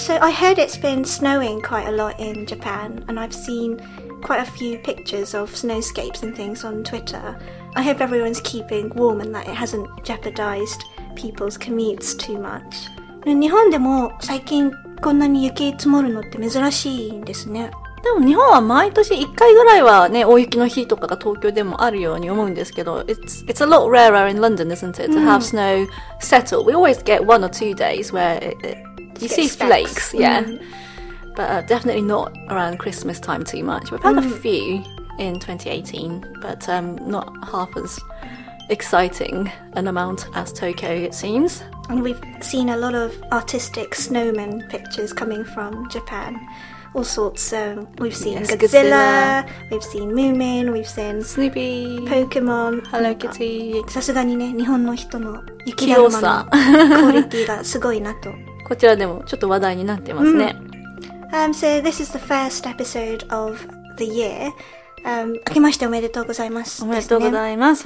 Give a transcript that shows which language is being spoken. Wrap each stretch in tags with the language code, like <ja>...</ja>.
<en>heard it's been snowing quite a lot in Japan, and I've seen quite a few pictures of snowscapes and things on Twitter. I hope everyone's keeping warm and that it hasn't jeopardized people's commutes too much.</en> <ja>日本でも最近こんなに雪積もるのって珍しいんですね。でも日本は毎年1回ぐらいはね、大雪の日とかが東京でもあるように思うんですけど、</ja> <en>It's a lot rarer in London, isn't it, to have snow settle. We always get one or two days where you see flakes, yeah. But definitely not around Christmas time too much. We've had a few in 2018, but not half as exciting an amount as Tokyo, it seems. And we've seen a lot of artistic snowman pictures coming from Japan. All sorts. So we've seen Godzilla, we've seen Moomin, we've seen Snoopy, Pokemon, Hello Kitty.</en> <ja>さすがにね、日本の人の雪だるまのクオリティがすごいなと。こちらでもちょっと話題になってますね。</ja> <en>So this is the first episode of the year.</en> <ja>明けましておめでとうございます。おめでとうございます。</ja>